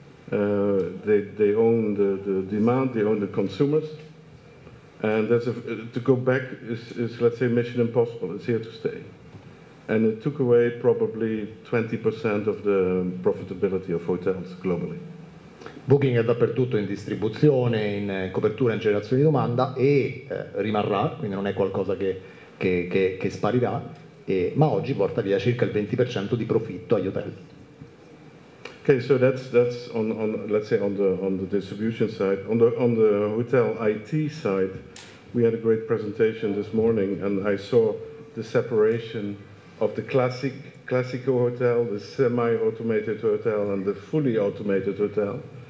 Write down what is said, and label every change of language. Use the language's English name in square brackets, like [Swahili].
[English] They own the demand, they own the consumers. And to go back is, let's say, mission impossible, it's here to stay. And it took away probably 20% of the profitability of hotels globally. [Italian] Booking è dappertutto in distribuzione, in copertura, in generazione di domanda e rimarrà, quindi non è qualcosa che sparirà, ma oggi porta via circa il 20% di profitto agli hotel. [English] Okay, so that's on let's say on the distribution side. On the hotel IT side, we had a great presentation this morning and I saw the separation of the classical hotel, the semi-automated hotel, and the fully automated hotel.